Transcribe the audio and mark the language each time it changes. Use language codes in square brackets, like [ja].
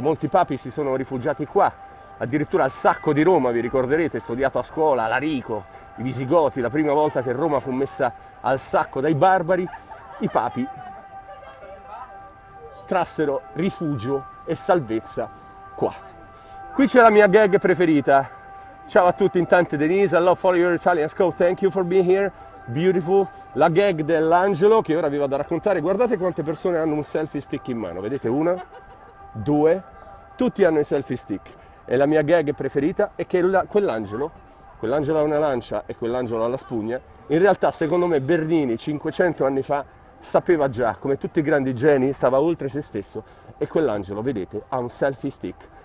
[it] Molti papi si sono rifugiati qua, addirittura al Sacco di Roma, vi ricorderete, studiato a scuola, Alarico, i Visigoti, la prima volta che Roma fu messa al sacco dai barbari, i papi trassero rifugio e salvezza qua. Qui c'è la mia gag preferita. Ciao a tutti, intanto [en] Denise, I love for your Italian school, thank you for being here, beautiful. [it] La gag dell'angelo che ora vi vado a raccontare. Guardate quante persone hanno un selfie stick in mano, vedete? Una, due, tutti hanno i selfie stick. E la mia gag preferita è che quell'angelo ha una lancia e quell'angelo ha la spugna. In realtà, secondo me, Bernini 500 anni fa sapeva già, come tutti i grandi geni, stava oltre se stesso e quell'angelo, vedete, ha un selfie stick.